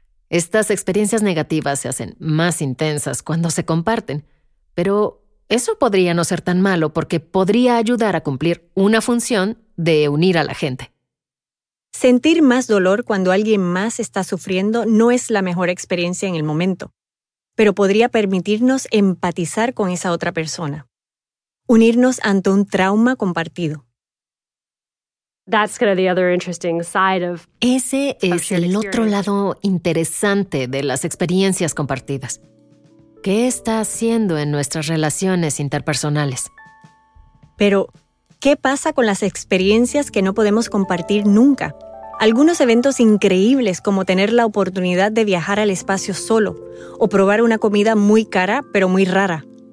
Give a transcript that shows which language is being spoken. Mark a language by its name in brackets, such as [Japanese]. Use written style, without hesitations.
[Spanish] Estas experiencias negativas se hacen más intensas cuando se comparten, pero eso podría no ser tan malo porque podría ayudar a cumplir una función de unir a la gente. Sentir más dolor cuando alguien más está sufriendo no es la mejor experiencia en el momento, pero podría permitirnos empatizar con esa otra persona, unirnos ante un trauma compartido. [English] That's kind of the other interesting side of. [Spanish] Ese es el otro lado interesante de las experiencias compartidas. ¿Qué está haciendo en nuestras relaciones interpersonales? Pero, ¿qué pasa con las experiencias que no podemos compartir nunca? Algunos eventos increíbles, como tener la oportunidad de viajar al espacio solo o probar una comida muy cara pero muy rara.